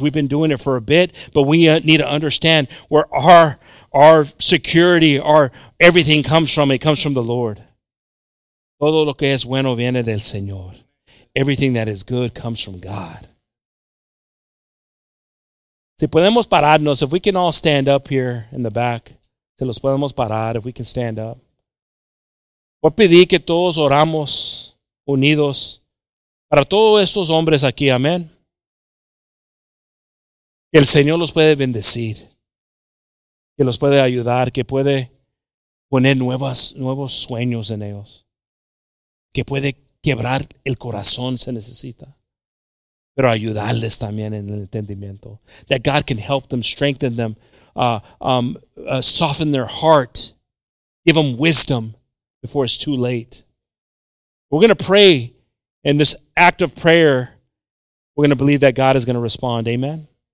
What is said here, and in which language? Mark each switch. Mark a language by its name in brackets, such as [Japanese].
[English] We've been doing it for a bit, but we need to understand where our security, our everything comes from. It comes from the Lord. [Spanish] Todo lo que es bueno viene del Señor. [English] Everything that is good comes from God. [Spanish] Si podemos pararnos, [English] if we can all stand up here in the back, [Spanish] si los podemos parar, [English] if we can stand up. [Spanish] Voy a pedir que todos oramos unidos para todos estos hombres aquí, amén. Que el Señor los puede bendecir, que los puede ayudar, que puede poner nuevos sueños en ellos, que puede quebrar el corazón, se necesita. Pero ayudarles también en el entendimiento. [English] That God can help them, strengthen them, soften their heart, give them wisdom before it's too late. We're going to pray in this act of prayer. We're going to believe that God is going to respond. Amen.